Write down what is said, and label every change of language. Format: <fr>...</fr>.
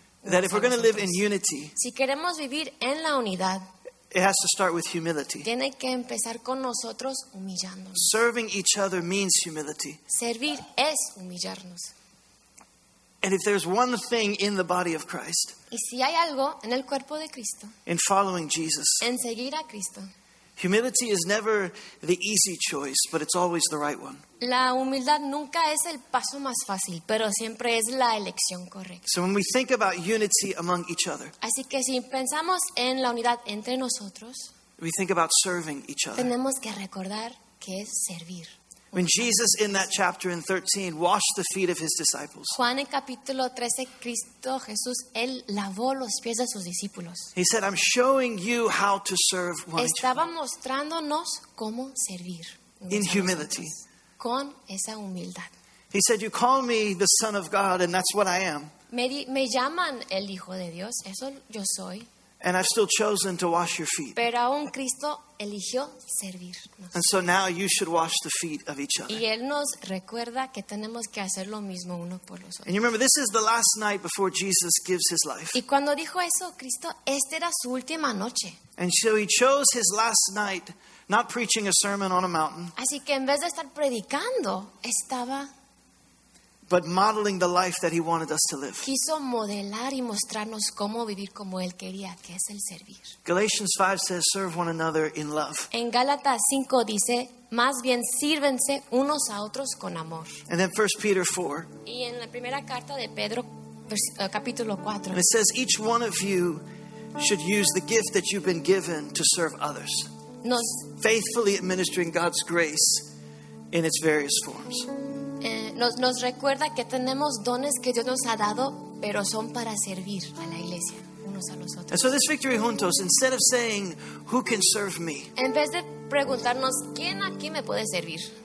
<en>That if we're going to live in unity,</en> <es>si queremos vivir en la unidad,</es> <en>it has to start with humility.</en> <es>Tiene que empezar con nosotros humillándonos.</es> <en>Serving each other means humility.</en> <es>Servir es humillarnos.</es> <en>And if there's one thing in the body of Christ,</en> <es>y si hay algo en el cuerpo de Cristo,</es> <en>in following Jesus,</en> <es>en seguir a Cristo,</es> <en>Humility is never the easy choice, but it's always the right one.</en> <es>La humildad nunca es el paso más fácil, pero siempre es la elección correcta.</es> <en>So when we think about unity among each other,</en> <es>así que si pensamos en la unidad entre nosotros,</es> <en>we think about serving each other.</en> <es>Tenemos que recordar que es servir.</es> <en>When Jesus, in that chapter in 13, washed the feet of his disciples,</en> <es>Juan en capítulo 13, Cristo Jesús, él lavó los pies de sus discípulos.</es> <en>He said, I'm showing you how to serve one another.</en> <es>Estaba mostrándonos cómo servir.</es> <en>In humility.</en> <es>Con esa humildad.</es> <en>He said, you call me the Son of God, and that's what I am.</en> <es>Me llaman el Hijo de Dios, eso yo soy.</es> <en>And I've still chosen to wash your feet.</en> <es>Pero aún Cristo eligió servirnos.</es> <en>And so now you should wash the feet of each other.</en> <es>Y él nos recuerda que tenemos que hacer lo mismo uno por los otros.</es> <en>And you remember, this is the last night before Jesus gives his life.</en> <es>Y cuando dijo eso Cristo, esta era su última noche.</es> <en>And so he chose his last night, not preaching a sermon on a mountain.</en> <es>Así que en vez de estar predicando, estaba...</es> <en>But modeling the life that he wanted us to live.</en> <es>Quiso modelar y mostrarnos cómo vivir como él quería, que es el servir.</es> <en>Galatians 5 says, serve one another in love.</en> <es>En Gálatas 5 dice, más bien sírvense unos a otros con amor.</es> <en>And then 1 Peter 4.</en> <es>Y en la primera carta de Pedro, capítulo 4.</es> <en>And it says, each one of you should use the gift that you've been given to serve others. Faithfully administering God's grace in its various forms.</en> <es>Nos recuerda que tenemos dones que Dios nos ha dado, pero son para servir a la iglesia, unos a los otros.</es> <en>And so this victory juntos, instead of saying, who can serve me?</en> <es>En vez de preguntarnos, ¿quién aquí me puede servir?</es>